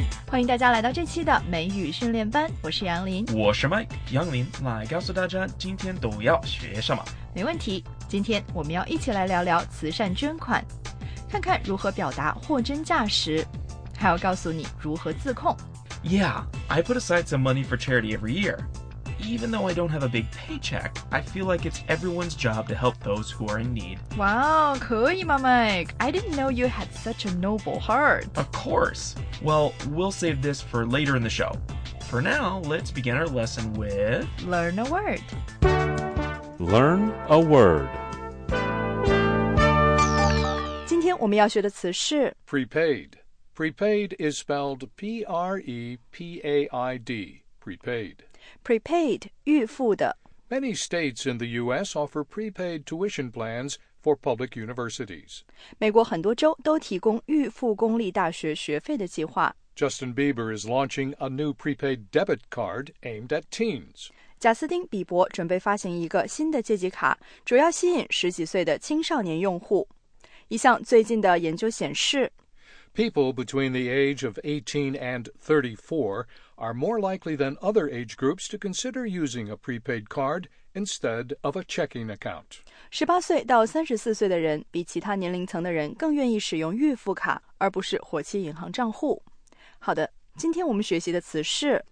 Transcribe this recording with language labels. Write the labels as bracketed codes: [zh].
[zh] 欢迎大家来到这期的美语训练班，我是杨林，我是 Mike 杨林，来告诉大家今天都要学什么。没问题，今天我们要一起来聊聊慈善捐款，看看如何表达货真价实，还要告诉你如何自控。 [en] Yeah, I put aside some money for charity every year. Even though I don't have a big paycheck, I feel like it's everyone's job to help those who are in need. [zh] Wow, 可以吗 Mike? [en] I didn't know you had such a noble heart. Of course. Well, we'll save this for later in the show. For now, let's begin our lesson with... Learn a word. Learn a word. [zh] 今天我们要学的词是 [en] prepaid. Prepaid is spelled P-R-E-P-A-I-D. Prepaid. [zh] Prepaid, 预付的. [en] Many states in the U.S. offer prepaid tuition plans for public universities. [zh] 美国很多州都提供预付公立大学学费的计划. [en] Justin Bieber is launching a new prepaid debit card aimed at teens. [zh] 贾斯汀·比伯准备发行一个新的借记卡，主要吸引十几岁的青少年用户。一项最近的研究显示 [en] People between the age of 18 and 34 are more likely than other age groups to consider using a prepaid card instead of a checking account. [zh] 18岁到34岁的人比其他年龄层的人更愿意使用预付卡而不是活期银行账户。好的，今天我们学习的词是